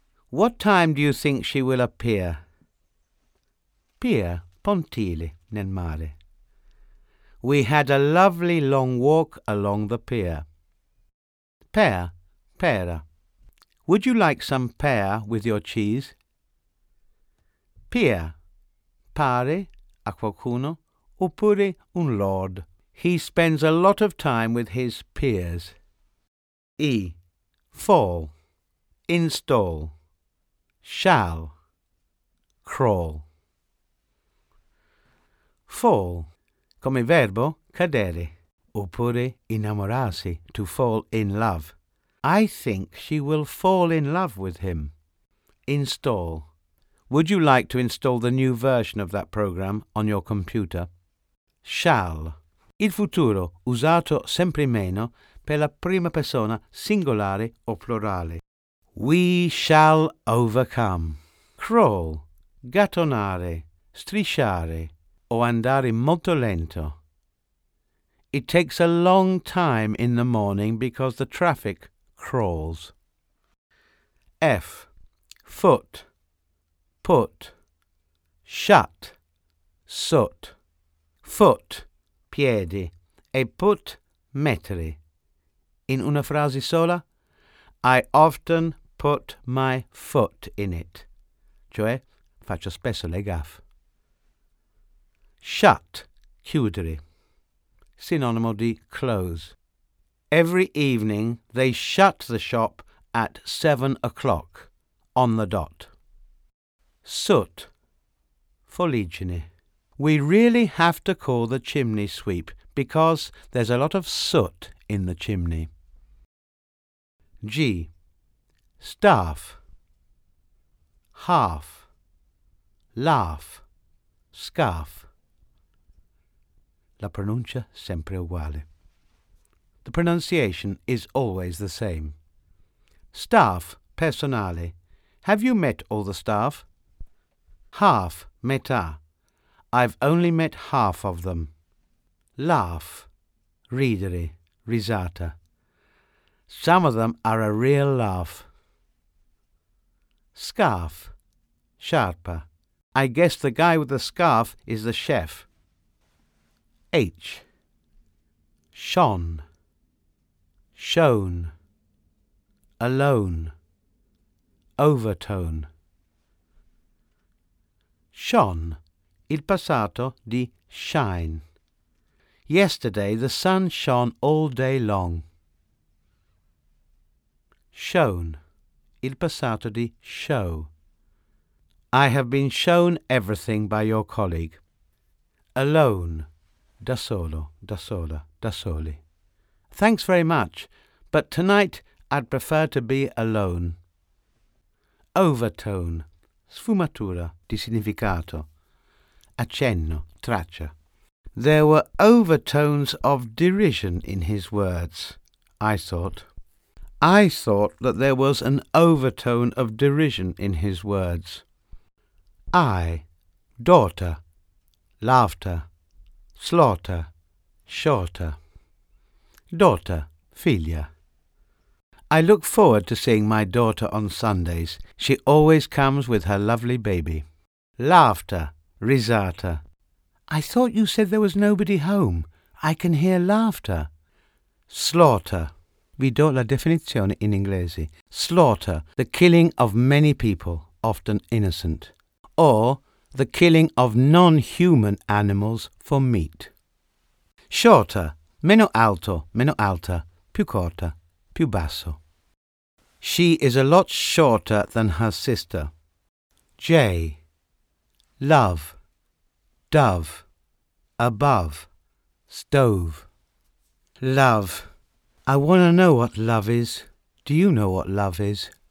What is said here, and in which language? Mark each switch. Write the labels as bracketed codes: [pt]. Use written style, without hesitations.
[en] What time do you think she will appear? Pier, [it] pontile, nel mare. [en] We had a lovely long walk along the pier. Pear, pera. Would you like some pear with your cheese? [it] Pier, pare a qualcuno, oppure un lord. [en] He spends a lot of time with his peers. E. Fall. Install. Shall. Crawl. [it] Fall, come verbo cadere, oppure innamorarsi, [en] to fall in love. I think she will fall in love with him. Install. Would you like to install the new version of that program on your computer? Shall. [it] Il futuro, usato sempre meno per la prima persona singolare o plurale. [en] We shall overcome. Crawl, [it] gattonare, strisciare. O andare molto lento. [en] It takes a long time in the morning because the traffic crawls. F. Foot. Put. Shut. Soot. Foot. Piedi. E put. Mettere. [it] In una frase sola. [en] I often put my foot in it. [it] Cioè, faccio spesso le gaffe. Shut, chiudere, synonimo di close. [en] Every evening they shut the shop at 7 o'clock, on the dot. Soot, foligine. We really have to call the chimney sweep because there's a lot of soot in the chimney. G, staff, half, laugh, scarf. [it] La pronuncia sempre uguale. [en] The pronunciation is always the same. Staff, personale. Have you met all the staff? Half, metà. I've only met half of them. Laugh, [it] ridere, risata. [en] Some of them are a real laugh. Scarf, sciarpa. I guess the guy with the scarf is the chef. H. Shone. Shone. alone, overtone. [it] Shone, il passato di shine. [en] Yesterday the sun shone all day long. [it] Shown, il passato di show. [en] I have been shown everything by your colleague. Alone, [it] da solo, da sola, da soli. [en] Thanks very much, but tonight I'd prefer to be alone. [it] Overtone, sfumatura di significato. Accenno, traccia. [en] There were overtones of derision in his words, I thought. I thought that there was an overtone of derision in his words. I, daughter, laughter, slaughter, shorter. Daughter, figlia. I look forward to seeing my daughter on Sundays. She always comes with her lovely baby. Laughter, risata. I thought you said there was nobody home. I can hear laughter. Slaughter. [it] Vi do la definizione in inglese. [en] Slaughter, the killing of many people, often innocent. Or the killing of non-human animals for meat. [it] Shorter, meno alto, meno alta, più corta, più basso. [en] She is a lot shorter than her sister. J. Love, dove, above, stove. Love. I want to know what love is. Do you know what love is?